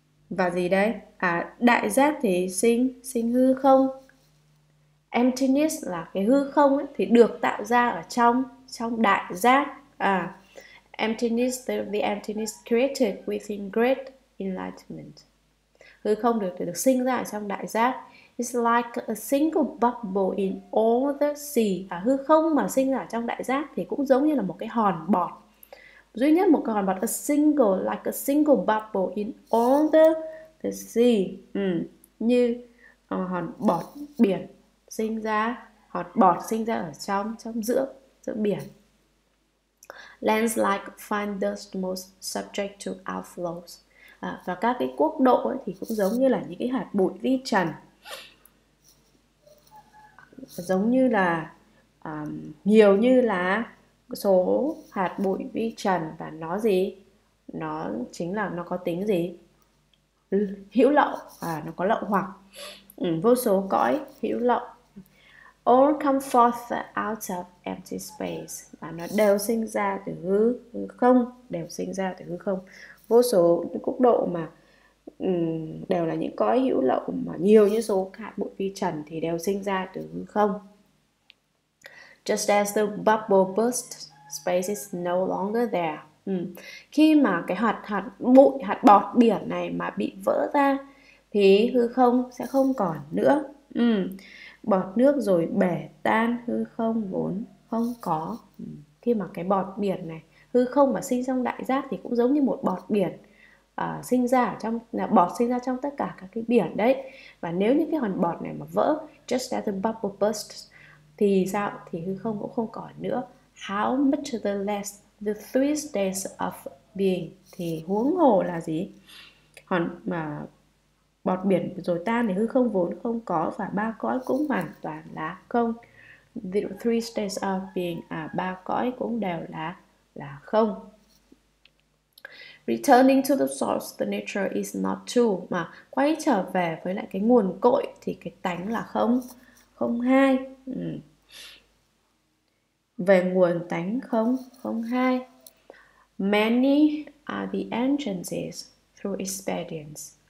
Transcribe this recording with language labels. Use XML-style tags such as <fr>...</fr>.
<vi>Và gì đây? Đại giác thì sinh, sinh hư không. Emptiness là cái hư không ấy, thì được tạo ra ở trong trong đại giác.</vi> <en>Emptiness, the emptiness created within great enlightenment.</en> <vi>Hư không được được sinh ra ở trong đại giác.</vi> <en>It's like a single bubble in all the sea.</en> <vi>Hư không mà sinh ra ở trong đại giác thì cũng giống như là một cái hòn bọt.</vi> <en>Duy nhất một cái hòn bọt, like a single bubble in all the sea.</en> <vi>Như hòn bọt biển sinh ra, hòn bọt sinh ra ở trong trong giữa giữa biển.</vi> <en>Lands like fine dust most subject to outflows.</en> <vi>Và các cái quốc độ ấy thì cũng giống như là những cái hạt bụi vi trần, giống như là nhiều như là số hạt bụi vi trần. Và nó gì? Nó chính là nó có tính gì? Hữu lậu. Nó có lậu hoặc.</vi> <en>Vô số cõi hữu lậu. All come forth out of empty space.</en> <vi>Và nó đều sinh ra từ hư không, đều sinh ra từ hư không. Vô số những quốc độ mà đều là những cõi hữu lậu mà nhiều như số hạt bụi vi trần thì đều sinh ra từ hư không.</vi> <en>Just as the bubble burst, space is no longer there.</en> <vi>Khi mà cái hạt hạt bụi, hạt bọt biển này mà bị vỡ ra thì hư không sẽ không còn nữa. Bọt nước rồi bể tan, hư không vốn không có. Khi mà cái bọt biển này, hư không mà sinh trong đại giác thì cũng giống như một bọt biển sinh ra ở trong, là bọt sinh ra trong tất cả các cái biển đấy. Và nếu như cái hòn bọt này mà vỡ, just as the bubble burst, thì sao? Thì hư không cũng không còn nữa.</vi> <en>How much the less the 3 states of being.</en> <vi>Thì huống hồ là gì? Hòn mà bọt biển rồi tan thì hư không vốn không có, và ba cõi cũng hoàn toàn là không. The 3 states of being, ba cõi cũng đều là không.</vi> <en>Returning to the source, the nature is not two.</en> <vi>Mà quay trở về với lại cái nguồn cội thì cái tánh là không, không hai. Về nguồn tánh không, không hai. Many are the entrances through experience.</vi>